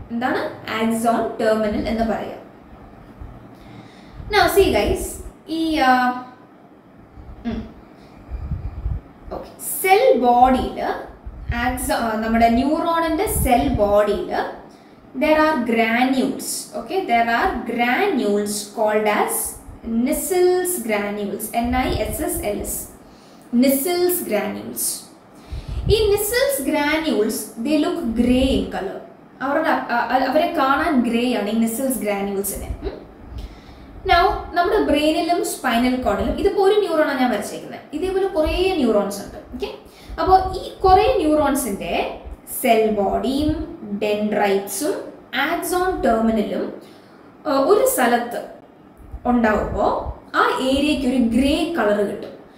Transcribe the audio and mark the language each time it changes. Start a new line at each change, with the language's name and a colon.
Malayalam: എന്താണ് axon terminal എന്ന് പറയുക?
English: now see guys,
Malayalam: ഈ ഓക്കെ, സെൽ ബോഡിയിൽ ആക്സോ, നമ്മുടെ ന്യൂറോണിൻ്റെ സെൽ ബോഡിയിൽ
English: there are granules. Okay, there are granules called as Nissl's granules. N-I-S-S-L-S. Nissl's granules. In Nissl's granules, they look grey in color.
Malayalam: അവരെ കാണാൻ grey ആണ് ഈ നിസൽസ് ഗ്രാനുൾസിനെ. നൗ നമ്മുടെ ബ്രെയിനിലും spinal കോഡിലും ഇതിപ്പോൾ ഒരു ന്യൂറോണാണ് ഞാൻ വരച്ചേക്കുന്നത്. ഇതേപോലെ കുറേ ന്യൂറോൺസ് ഉണ്ട്. ഓക്കെ, അപ്പോൾ ഈ കുറേ ന്യൂറോൺസിൻ്റെ സെൽ ബോഡിയും ഡെൻഡ്രൈറ്റ്സും ആക്സോൺ ടെർമിനലും ഒരു സ്ഥലത്ത് ഉണ്ടാവുമ്പോൾ ആ ഏരിയയ്ക്ക് ഒരു ഗ്രേ കളർ കിട്ടും.